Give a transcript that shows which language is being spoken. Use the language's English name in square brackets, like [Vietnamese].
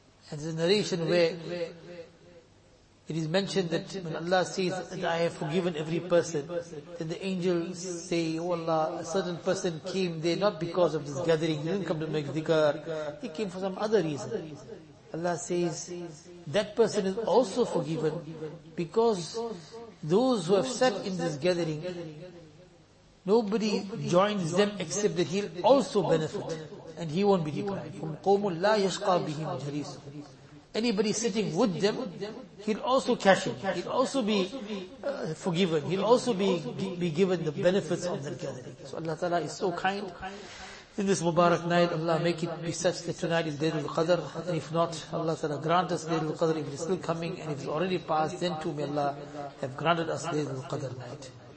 [English] And there's a narration where it is mentioned that when Allah says that I have forgiven every person, then the angels say, oh Allah, a certain person came there not because of this gathering, he didn't come to make dhikr, he came for some other reason. Allah says, that person is also forgiven because those who have sat in this gathering, nobody joins them except that he'll also benefit and he won't be deprived. From [Arabic] قَوْمٌ لَا يَشْقَى بِهِمْ جَلِيسٌ. [English] Anybody sitting with them, he'll also cash in. He'll also be forgiven. He'll also be given the benefits of that gathering. So Allah Ta'ala is so kind. In this Mubarak night, Allah make it be such that tonight is Laylatul Qadr. And if not, Allah Ta'ala grant us Laylatul Qadr if it is still coming. And if it's already passed, then too may Allah have granted us Laylatul Qadr night.